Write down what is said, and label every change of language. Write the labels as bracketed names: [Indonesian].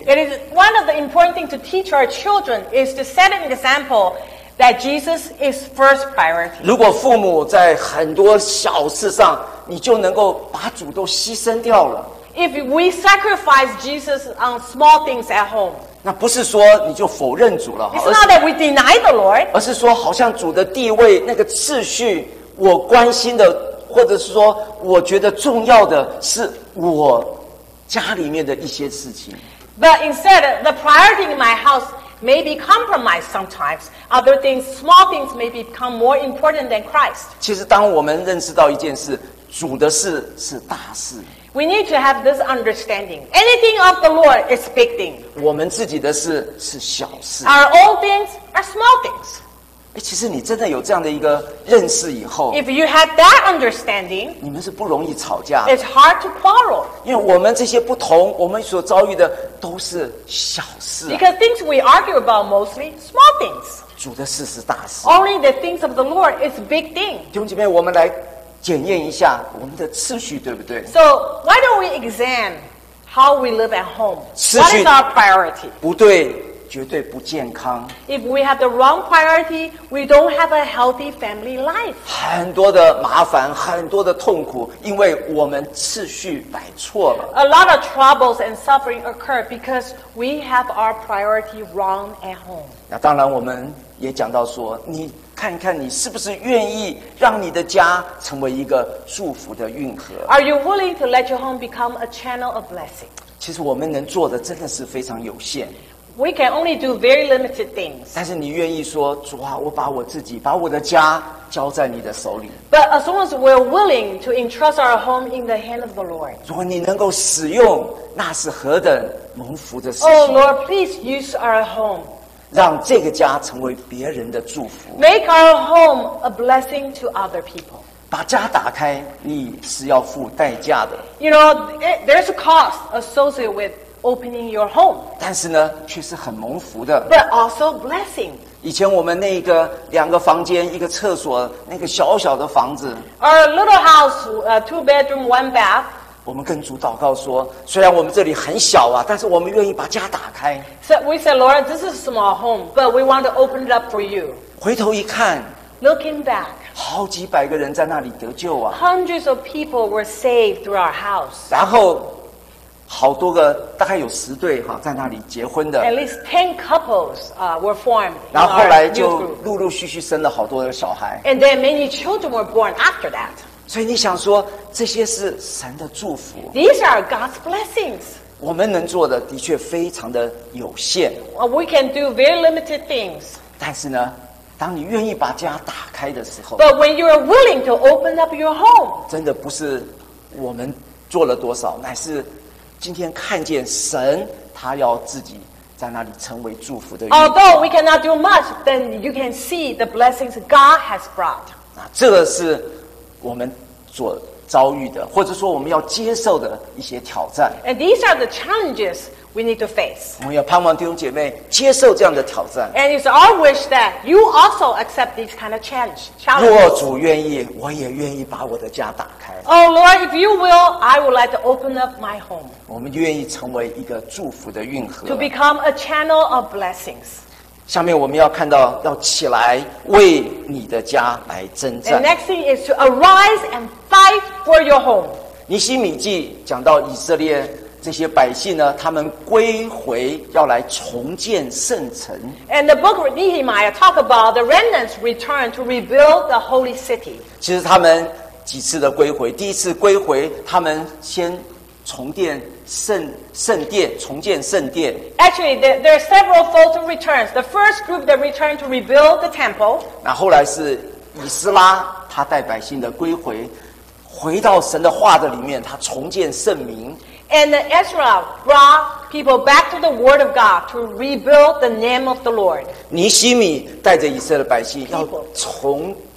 [English] ？It is one of the important things to teach our children is to set an example that Jesus is first priority. [Chinese] 如果父母在很多小事上，你就能够把主都牺牲掉了。 [English] If we sacrifice Jesus on small things at home, [Chinese] 那不是说你就否认主了 [English] It's not that we deny the Lord. [Chinese] 而是说好像主的地位那个次序我关心的或者是说我觉得重要的是我家里面的一些事情 [English] But instead, the priority in my house may be compromised sometimes. Other things, small things may become more important than Christ. [Chinese] 其实当我们认识到一件事主的事是大事 [English] We need to have this understanding. Anything of the Lord is big thing. [Chinese] 我们自己的事是小事 [English] Our own things are small things. [Chinese] 其实你真的有这样的一个认识以后 [English] If you have that understanding, [Chinese] 你们是不容易吵架 [English] It's hard to quarrel. [Chinese] 因为我们这些不同，我们所遭遇的都是小事 [English] Because things we argue about mostly small things. [Chinese] 主的事是大事 [English] Only the things of the Lord is big thing. [Chinese] 弟兄姐妹，我们来。检验一下我们的次序对不对 [English] So why don't we examine how we live at home? [Chinese] 次序 [English] What is our priority? [Chinese] 不对绝对不健康。 [English] If we have the wrong priority, we don't have a healthy family life. [Chinese] 很多的麻烦，很多的痛苦，因为我们次序摆错了。 [English] A lot of troubles and suffering occur because we have our priority wrong at home. [Chinese] 那当然，我们也讲到说，你看一看你是不是愿意让你的家成为一个祝福的运河。 [English] Are you willing to let your home become a channel of blessing? [Chinese] 其实我们能做的真的是非常有限。 [English] We can only do very limited things. [Chinese] 但是你愿意说，主啊，我把我自己，把我的家交在你的手里。 [English] But as long as we're willing to entrust our home in the hand of the Lord. [Chinese] 如果你能够使用，那是何等蒙福的事 [English] 情。Oh Lord, please use our home. [Chinese] 让这个家成为别人的祝福。 [English] Make our home a blessing to other people. [Chinese] 把家打开，你是要付代价的。 [English] You know, there's a cost associated with. Opening your home, [Chinese] 但是呢，却是很蒙福的。 [English] But also blessing. [Chinese] 以前我们那个两个房间一个厕所那个小小的房子。 [English] Our little house, two bedroom, one bath. [Chinese] 我们跟主祷告说，虽然我们这里很小啊，但是我们愿意把家打开。 [English] So we said, Lord, this is a small home, but we want to open it up for you. [Chinese] 回头一看 [English] ，Looking back, [Chinese] 好几百个人在那里得救啊。 [English] Hundreds of people were saved through our house. [Chinese] 然后。好多个，大概有十对哈，在那里结婚的。 [English] At least 10 couples were formed. [Chinese] 然后后来就陆陆续续生了好多的小孩。 [English] And then many children were born after that. [Chinese] 所以你想说，这些是神的祝福。 [English] These are God's blessings. [Chinese] 我们能做的的确非常的有限。 [English] We can do very limited things. [Chinese] 但是呢，当你愿意把家打开的时候 [English] ，But when you are willing to open up your home, [Chinese] 真的不是我们做了多少，乃是。今天看见神，他要自己在那里成为祝福的。 [English] Although we cannot do much, then you can see the blessings God has brought. [Chinese] 那这个是我们所遭遇的，或者说我们要接受的一些挑战。 [English] And these are the challenges we need to face. [Chinese] 我们要盼望弟兄姐妹接受这样的挑战。 [English] And it's our wish that you also accept these kind of challenges. [Chinese] 若主愿意，我也愿意把我的家打开。 [English] Oh Lord, if you will, I would like to open up my home. [Chinese] 我们愿意成为一个祝福的运河。 [English] To become a channel of blessings. [Chinese] 下面我们要看到，要起来为你的家来征战。 [English] The next thing is to arise and fight for your home. [Chinese] 尼希米记讲到以色列这些百姓呢，他们归回要来重建圣城。 [English] And the book of Nehemiah talk about the remnants return to rebuild the holy city. [Chinese] 其实他们。几次的归回，第一次归回，他们先重建圣殿，重建圣殿。 [English] Actually, there are several fold returns. The first group that returned to rebuild the temple. [Chinese] 那后来是以斯拉，他带百姓的归回，回到神的话的里面，他重建圣名。 [English] And Ezra brought people back to the word of God to rebuild the name of the Lord. [Chinese] 尼希米带着以色列百姓要重。